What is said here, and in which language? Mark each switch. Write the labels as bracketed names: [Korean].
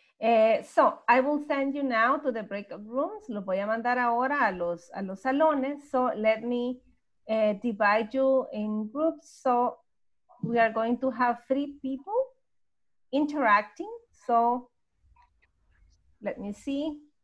[English] So, I will send you now to the breakout rooms. [Spanish] Los voy a mandar ahora a los salones. [English] So, let me divide you in groups. So, we are going to have 3 people interacting. So, let me see.